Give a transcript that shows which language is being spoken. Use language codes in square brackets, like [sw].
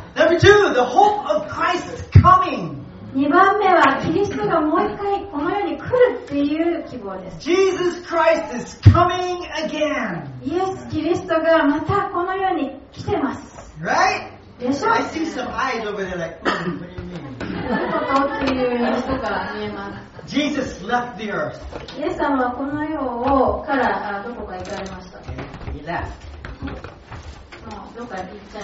[en] Number two, the hope of Christ's coming. [ja] 2番目はキリストがもう一回この世に来るっていう希望です。 [en] Jesus Christ is coming again. [ja] イエス・キリストがまたこの世に来てます。 [en] Right? [ja] でしょ? [en] I see some eyes over there like, what do you mean? [ja] ちょっと顔っていう人が見えます。 [en] Jesus left the earth. [ja] イエス様はこの世をからどこか行かれました。 [en] Okay. He left. [ja] もうどこか行っちゃい